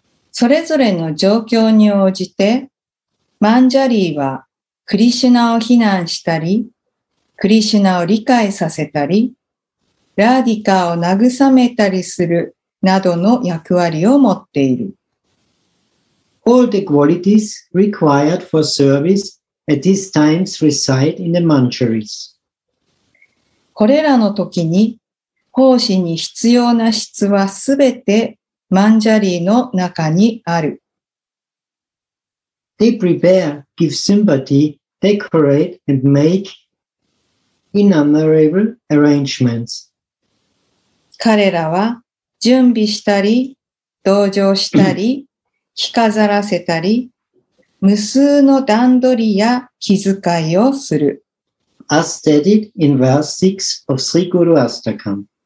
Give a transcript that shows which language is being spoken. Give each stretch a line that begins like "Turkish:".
Japanese: それぞれの状況に応じて、マンジャリーはクリシュナを非難したり、クリシュナを理解させたり、ラーディカを慰めたりするなどの役割を持っている。
English: All the qualities required for service at these times reside in the mantras.
Japanese: これらの時に、奉仕に必要な質はすべてマンジャリーの中にある。
English: They prepare, give sympathy, decorate, and make innumerable arrangements.
Japanese: 彼らは準備したり、同情したり、着飾らせたり、無数の段取りや気遣いをする。
English: As stated in verse 6 of Sri Guru Ashtakam.